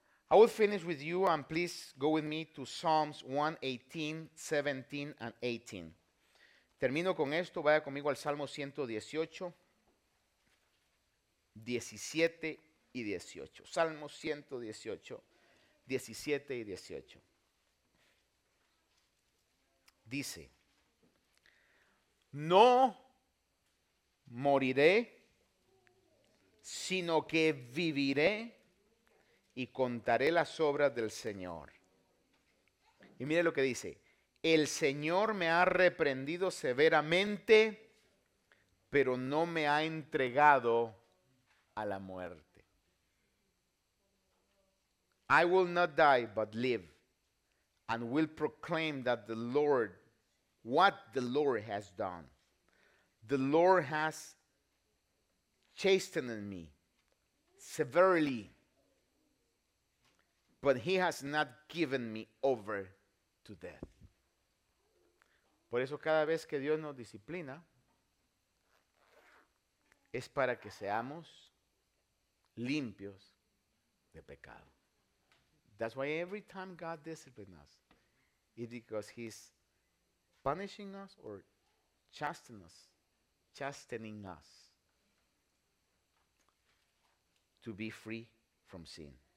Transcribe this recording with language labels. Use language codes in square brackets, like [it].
[en] I will finish with you, and please go with me to Psalms 118, 17, and 18. [es] Termino con esto, vaya conmigo al Salmo 118, 17 y 18. Salmo 118, 17 y 18. Dice: no moriré, sino que viviré y contaré las obras del Señor. Y mire lo que dice: el Señor me ha reprendido severamente, pero no me ha entregado a la muerte. [en] I will not die but live, and will proclaim that the Lord, what the Lord has done. The Lord has chastened me severely, but he has not given me over to death. [es] Por eso cada vez que Dios nos disciplina, es para que seamos limpios de pecado. [en] That's why every time God disciplines us, it's because he's punishing us or chastening us to be free from sin.